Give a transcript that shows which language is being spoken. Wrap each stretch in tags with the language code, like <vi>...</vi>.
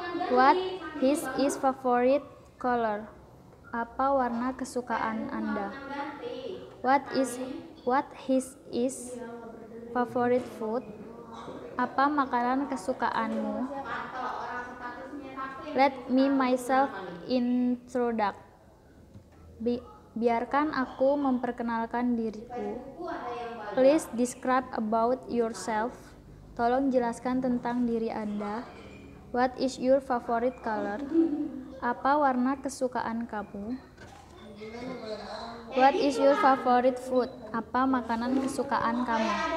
<en>What his is favorite color?</en> <id>Apa warna kesukaan Anda?</id> <en>What his is favorite food?</en> <id>Apa makanan kesukaanmu?</id> <en>Let me myself introduce.</en> <id>Biarkan aku memperkenalkan diriku.</id> <en>Please describe about yourself.</en> <id>Tolong jelaskan tentang diri Anda.</id> <en>What is your favorite color?</en> <id>Apa warna kesukaan kamu?</id> <en>What is your favorite food?</en> <id>Apa makanan kesukaan kamu?</id>